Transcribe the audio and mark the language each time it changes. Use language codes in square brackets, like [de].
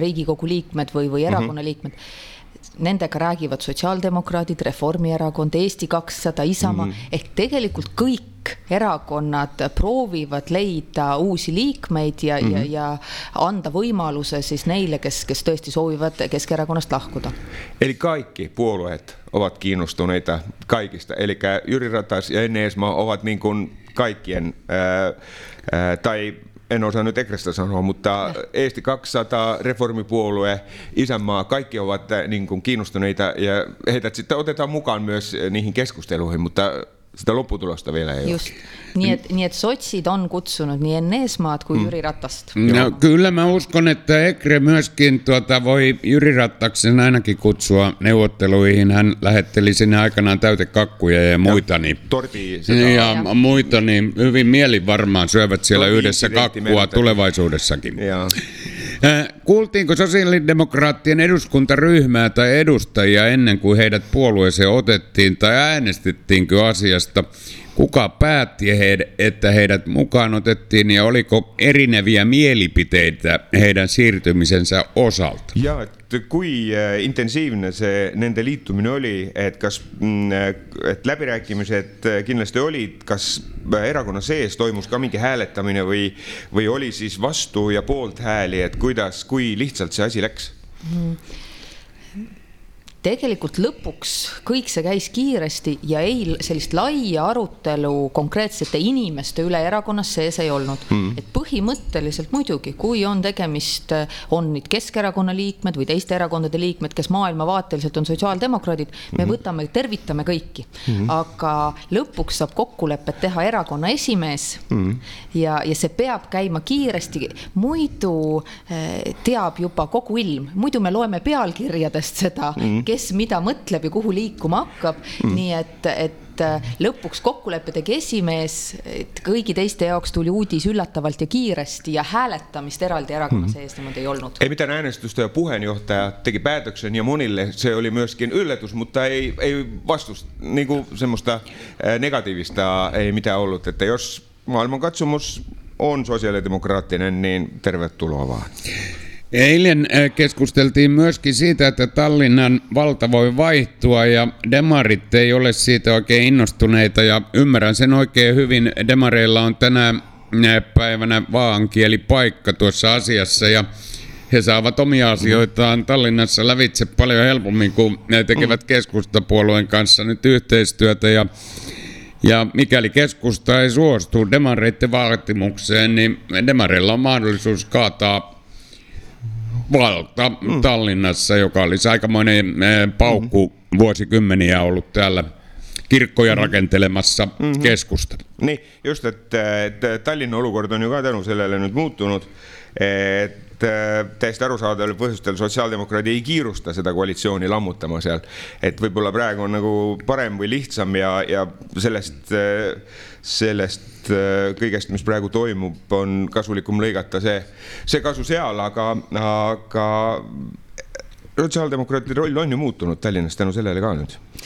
[et] riigikogu liikmed või, või erakonna liikmed, nendega räägivad sotsiaaldemokraadid, Reformierakond, Eesti 200, Isamaa, mm-hmm. ehk tegelikult kõik erakonnad proovivad leida uusi liikmeid ja, mm-hmm. Ja anda võimaluse siis neile, kes, kes tõesti soovivad keskerakonnast lahkuda. [fi] Eli kaikki puolueet ovat kiinnostuneita kaikista. Eli Jüri Ratas ja Enn Eesmaa ovat niin kuin kaikkien, tai en osaa nyt Ekrestä sanoa, mutta Eesti 200, Reformipuolue, Isänmaa, kaikki ovat niin kuin kiinnostuneita ja heitä sitten otetaan mukaan myös niihin keskusteluihin, mutta sitä lopputulosta vielä ei just. Niin, et, niin et sotsid on kutsunut niin Enn Eesmaad kuin Jüri Ratast. No, kyllä mä uskon, että Ekre myöskin voi Jüri Rattaksen ainakin kutsua neuvotteluihin. Hän lähetteli sinne aikanaan täytekakkuja ja muita. Niin, ja muita, niin hyvin mielin varmaan syövät siellä yhdessä kakkua menetä. Tulevaisuudessakin. Ja. Kuultiinko sosiaalidemokraattien eduskuntaryhmää tai edustajia ennen kuin heidät puolueeseen otettiin tai äänestettiinkö asiasta? Kuka päätti, että heidät mukaan otettiin ja oliko erineviä mielipiteitä heidän siirtymisensä osalta? [et] Ja että kui intensiivinen se nende liittuminen oli, että kas, että läbirääkimised kindlasti olid, kas erakonna sees toimus ka mingi hääletamine või, või oli siis vastu ja poolt hääli, et kuidas, kui lihtsalt see asi läks? Mm. Tegelikult lõpuks kõik see käis kiiresti ja ei sellist laia arutelu konkreetsete inimeste üle erakonnas sees ei olnud. Mm. Et põhimõtteliselt muidugi, kui on tegemist, on nüüd keskerakonna liikmed või teiste erakondade liikmed, kes maailma vaateliselt on sotsiaaldemokraadid, me võtame ja tervitame kõiki. Mm. Aga lõpuks saab kokkulepet teha erakonna esimees ja see peab käima kiiresti. Muidu teab juba kogu ilm, muidu me loeme pealkirjadest seda kes mida mõtleb ja kuhu liikuma hakkab, nii et, et lõpuks kokkulepetegi esimees, et kõigi teiste jaoks tuli uudis üllatavalt ja kiiresti ja hääletamist eraldi erakonna sees niimoodi ei olnud. [fi] Ei mitään äänestust ja puheenjohtaja tegi päätöksen ja monille, see oli myöskin üllätus, mutta ei, ei vastust, niin kuin semmoista negatiivista ei mitään ollut, että jos maailmankatsomus on sosiaalidemokraattinen, niin tervetuloa vaan. Eilen keskusteltiin myöskin siitä, että Tallinnan valta voi vaihtua ja demarit ei ole siitä oikein innostuneita ja ymmärrän sen oikein hyvin. Demareilla on tänä päivänä vaankieli paikka tuossa asiassa ja he saavat omia asioitaan Tallinnassa lävitse paljon helpommin kuin ne tekevät keskustapuolueen kanssa nyt yhteistyötä ja ja mikäli keskusta ei suostu demareiden vaatimukseen, niin demareilla on mahdollisuus kaataa valta Tallinnassa, joka olisi aikamoinen paukku vuosikymmeniä ollut täällä kirkkoja rakentelemassa keskusta. [et] Niin, just, että et Tallinnan olukord on jo ka tänu sellele nyt muuttunut, että täiesti arusaadavalle põhjustel sosiaaldemokraadi ei kiirusta seda koalitsiooni lammutama seal, et võibolla praegu on nagu parem või lihtsam ja sellest, sellest kõigest, mis praegu toimub, on kasulikum lõigata see, see kasu seal, aga, aga sotsiaaldemokraatide roll on ju muutunud Tallinnas tänu sellele ka nüüd.